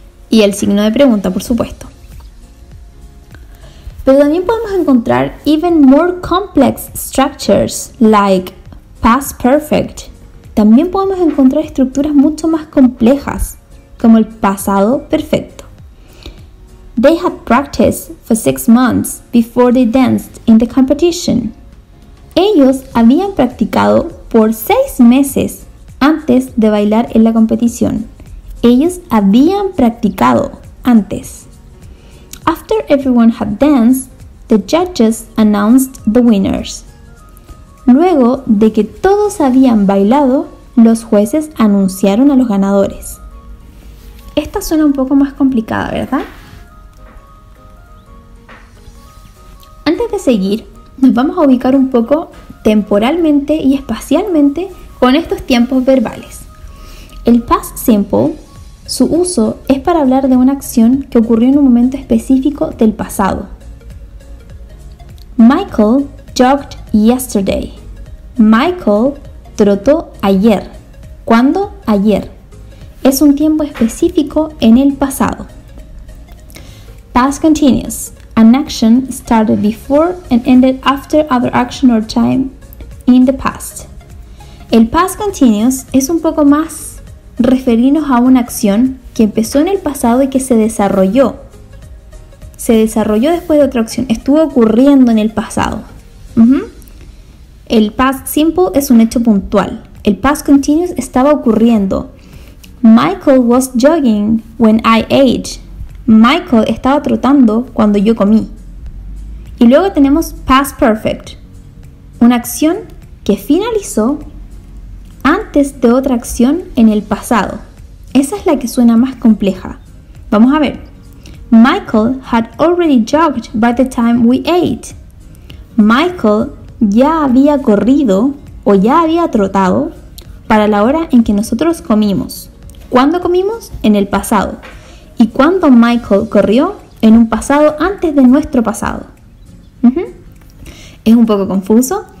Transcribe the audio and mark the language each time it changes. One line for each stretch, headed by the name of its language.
Spanish: Y el signo de pregunta, por supuesto. Pero también podemos encontrar
English: even more complex structures like past perfect.
Spanish: También podemos encontrar estructuras mucho más complejas, como el pasado perfecto.
English: They had practiced for 6 months before they danced in the competition.
Spanish: Ellos habían practicado por 6 meses antes de bailar en la competición. Ellos habían practicado antes.
English: After everyone had danced, the judges announced the winners.
Spanish: Luego de que todos habían bailado, los jueces anunciaron a los ganadores. Esta suena un poco más complicada, ¿verdad? Antes de seguir, nos vamos a ubicar un poco temporalmente y espacialmente con estos tiempos verbales. El past simple, su uso es para hablar de una acción que ocurrió en un momento específico del pasado.
English: Michael jogged yesterday.
Spanish: Michael trotó ayer. ¿Cuándo? Ayer. Es un tiempo específico en el pasado. Past continuous.
English: An action started before and ended after other action or time in the past.
Spanish: El past continuous es un poco más referirnos a una acción que empezó en el pasado y que se desarrolló. Se desarrolló después de otra acción. Estuvo ocurriendo en el pasado. El past simple es un hecho puntual. El past continuous estaba ocurriendo.
English: Michael was jogging when I ate.
Spanish: Michael estaba trotando cuando yo comí. Y luego tenemos past perfect. Una acción que finalizó antes de otra acción en el pasado. Esa es la que suena más compleja. Vamos a ver.
English: Michael had already jogged by the time we ate.
Spanish: Michael ya había corrido o ya había trotado para la hora en que nosotros comimos. ¿Cuándo comimos? En el pasado. ¿Y cuándo Michael corrió? En un pasado antes de nuestro pasado. Es un poco confuso.